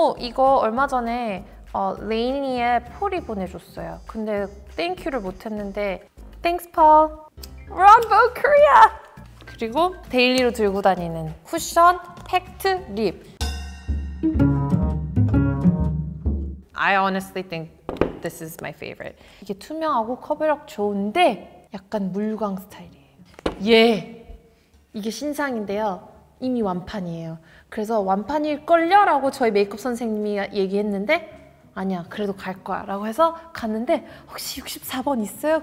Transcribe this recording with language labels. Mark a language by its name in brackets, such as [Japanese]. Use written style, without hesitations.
[Korean] 이거 얼마 전에 레이니의 폴이 보내줬어요. 근데 땡큐를 못했는데 [English] 땡스 폴! 롱보 코리아! [Korean] 그리고 데일리로 들고 다니는 쿠션, 팩트, 립. [English] I honestly think this is my favorite. [Korean] 이게 투명하고 커버력 좋은데 약간 물광 스타일이에요. 예! 이게 신상인데요. 이미 완판이에요. 그래서 완판일걸요? 라고 저희 메이크업 선생님이 얘기했는데 아니야 그래도 갈 거야 라고 해서 갔는데 혹시 64번 있어요?